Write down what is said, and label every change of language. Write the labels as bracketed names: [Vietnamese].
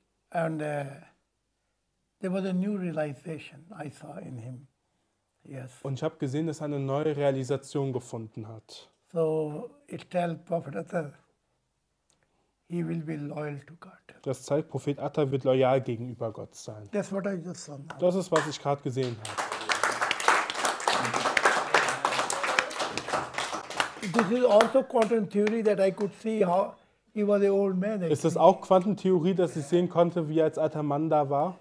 [English] And there was a new realization I saw in him. Yes. [German] Und ich habe gesehen, dass er eine neue Realisation gefunden hat. [English] So I tell Prophet Atta, he will be loyal to God. [German] Das zeigt, Prophet Atta wird loyal gegenüber Gott sein. [English] That's what I just saw now. [German] Das ist, was ich gerade gesehen habe. [English] This is also quantum theory that I could see how he was an old man. Actually. [German] Ist das auch Quantentheorie, dass ich sehen konnte, wie er als alter Mann da war?